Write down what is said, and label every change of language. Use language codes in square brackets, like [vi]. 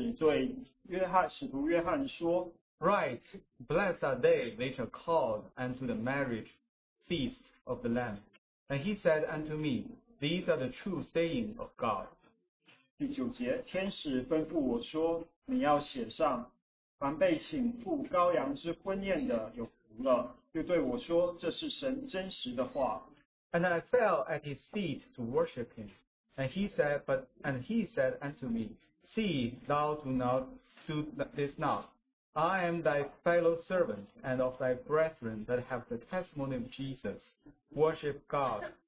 [zh] 这里天使对约翰使徒约翰说, [en] Right, blessed are they which are called unto the marriage feast of the Lamb. And he said unto me, These are the true sayings of God. [zh] 第九节,天使吩咐我说, 你要写上, 凡被请赴羔羊之婚宴的有福了, 又对我说, 这是神真实的话。 [en] And I fell at his feet to worship him. And he said unto me, See, thou do not do this not. I am thy fellow servant and of thy brethren that have the testimony of Jesus. Worship God.